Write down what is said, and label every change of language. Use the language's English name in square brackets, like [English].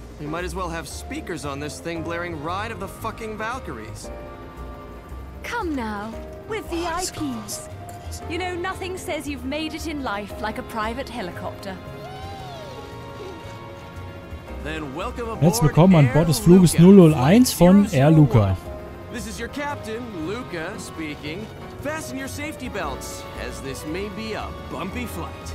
[English] We might as well have speakers on this thing blaring Ride of the fucking Valkyries. Come now, with VIPs. You know, nothing says you've made it in life like a private helicopter. Then welcome aboard. [German] Herzlich willkommen an Bord des Fluges 001 von Air Luca. [English] This is your captain, Luca, speaking. Fasten your safety belts, as this may be a bumpy flight.